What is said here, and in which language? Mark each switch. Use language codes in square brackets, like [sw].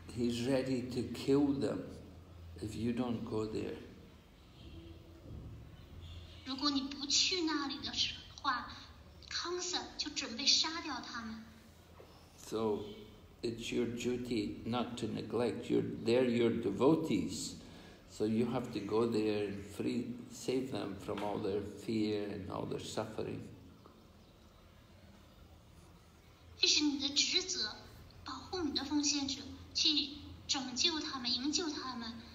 [en] He's ready to kill them if you don't go there. [zh] 如果你不去那里的话，康瑟就准备杀掉他们。 [en] So it's your duty not to neglect. They're your devotees, so you have to go there and save them from all their fear and all their suffering. [zh] 这是你的职责，保护你的奉献者，去拯救他们，营救他们。